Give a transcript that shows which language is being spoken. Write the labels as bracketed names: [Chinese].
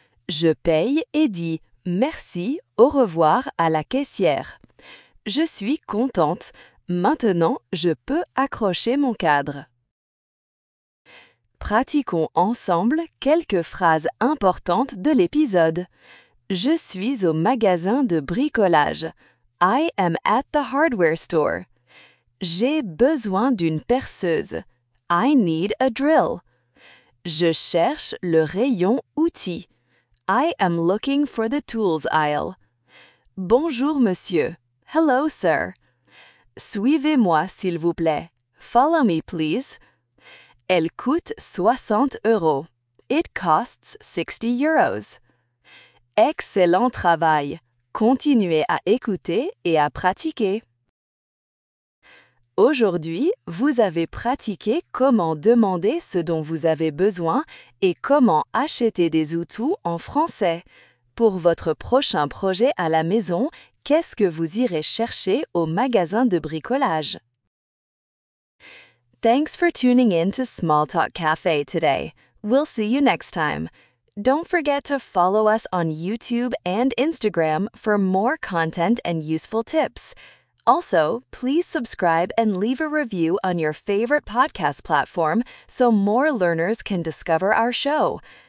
[French] Je paye et dis « merci, au revoir » à la caissière. Je suis contente. Maintenant, je peux accrocher mon cadre. Pratiquons ensemble quelques phrases importantes de l'épisode. Je suis au magasin de bricolage. [English] I am at the hardware store. [French] J'ai besoin d'une perceuse. [English] I need a drill. [French] Je cherche le rayon outil. [English] I am looking for the tools aisle. [French] Bonjour, monsieur. [English] Hello, sir. [French] Suivez-moi, s'il vous plaît. [English] Follow me, please. [French] Elle coûte 60 euros. [English] It costs 60 euros. [French] Excellent travail. Continuez à écouter et à pratiquer. Aujourd'hui, vous avez pratiqué comment demander ce dont vous avez besoin et comment acheter des outils en français. Pour votre prochain projet à la maison, qu'est-ce que vous irez chercher au magasin de bricolage? [English] Thanks for tuning in to Small Talk Cafe today. We'll see you next time. Don't forget to follow us on YouTube and Instagram for more content and useful tips. Also, please subscribe and leave a review on your favorite podcast platform so more learners can discover our show.